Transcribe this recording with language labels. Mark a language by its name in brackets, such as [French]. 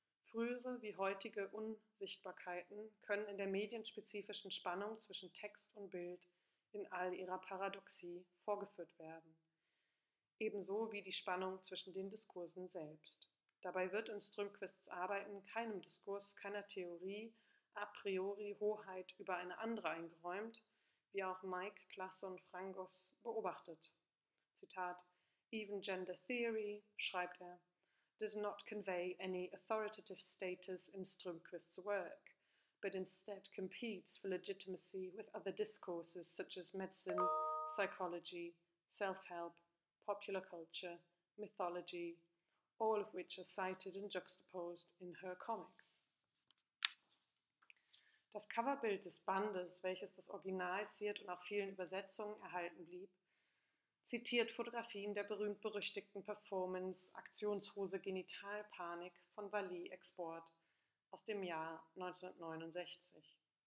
[German] Frühere wie heutige Unsichtbarkeiten können in der medienspezifischen Spannung zwischen Text und Bild in all ihrer Paradoxie vorgeführt werden. Ebenso wie die Spannung zwischen den Diskursen selbst. Dabei wird in Strömquists Arbeiten keinem Diskurs, keiner Theorie a priori Hoheit über eine andere eingeräumt, wie auch Mike Klasson-Frangos beobachtet. [English] Zitat: Even gender theory, [German] schreibt er, [English] does not convey any authoritative status in Strömquist's work, but instead competes for legitimacy with other discourses such as medicine, psychology, self-help, popular culture, mythology, all of which are cited and juxtaposed in her comics. [German] Das Coverbild des Bandes, welches das Original ziert und auch vielen Übersetzungen erhalten blieb, zitiert Fotografien der berühmt-berüchtigten Performance Aktionshose Genitalpanik von Wally Export aus dem Jahr 1969.